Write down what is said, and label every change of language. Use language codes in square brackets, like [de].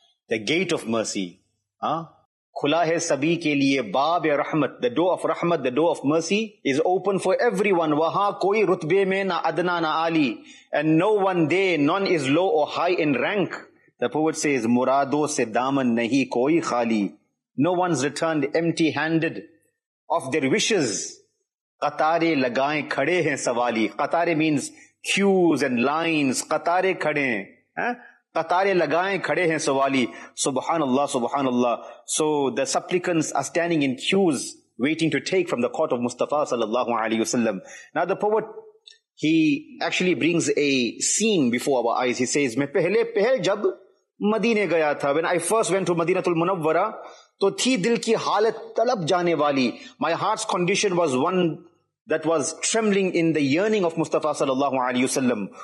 [en] The gate of mercy, [ur] khula hai sabhi ke liye baab e rahmat, [en] the door of rahmat, the door of mercy is open for everyone. [ur] Waha koi rutbe mein na adna na ali, [en] and no one day, none is low or high in rank. The poet says, [ur] murado se daman nahi koi khali. [en] No one's returned empty handed of their wishes. [ur] Qatare lagaye khade hain sawali. [en] Qatare means queues and lines, [ur] قطارے کھڑے ہیں, قطارے لگائیں کھڑے ہیں سوالی, subhanallah, subhanallah. [en] So the supplicants are standing in queues, waiting to take from the court of Mustafa sallallahu alayhi wa sallam. Now the poet, he actually brings a scene before our eyes. He says, [ur] میں پہلے پہل جب مدینے گیا تھا, [en] when I first went to Madinah al Munawwarah, [ur] تو تھی دل کی حالت طلب جانے والی, [en] my heart's condition was one that was trembling in the yearning of Mustafa sallallahu alaihi wasallam.